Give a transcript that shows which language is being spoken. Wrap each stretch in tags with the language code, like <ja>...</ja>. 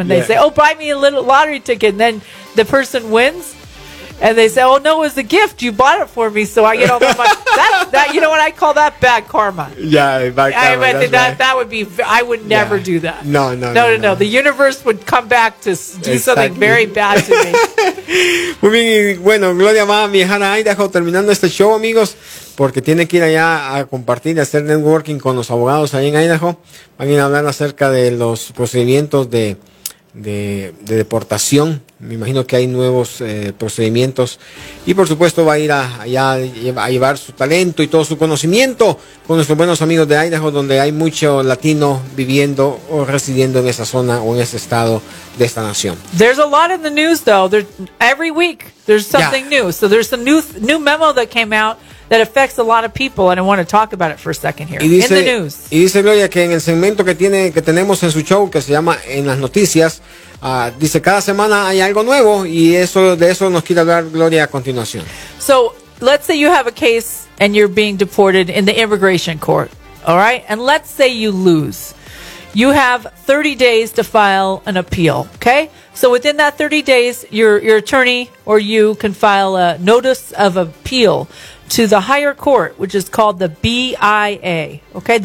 <en>When they say, buy me a little lottery ticket, and then the person wins. And they say, no, it was a gift. You bought it for me, so I get all the money. That, you know what? I call that bad karma. Yeah, bad karma. I would never do that. No. The universe would come back to do something very bad to me.</en> <es>Muy bien. Bueno, Gloria va a viajar a Idaho terminando este show, amigos, porque tiene que ir allá a compartir, a hacer networking con los abogados ahí en Idaho. Van a ir a hablar acerca de los procedimientos de deportación. Me imagino que hay nuevos procedimientos y por supuesto va a ir a llevar su talento y todo su conocimiento con nuestros buenos amigos de Idaho, donde hay mucho latino viviendo o residiendo en esa zona o en ese estado de esta nación.</es> <en>There's a lot in the news though. Every week there's something new. So there's a new memo that came out that affects a lot of people, and I want to talk about it for a second here.</en> <es>Dice,</es> <en>in the news.</en> <es>Y dice Gloria que en el segmento que tenemos en su show, que se llama En las Noticias, dice cada semana hay algo nuevo, y eso de eso nos quiere hablar Gloria a continuación.</es> <en>So, let's say you have a case, and you're being deported in the immigration court, all right? And let's say you lose. You have 30 days to file an appeal, okay? So within that 30 days, your attorney or you can file a notice of appeal to the higher court, which is called the BIA, okay?</en>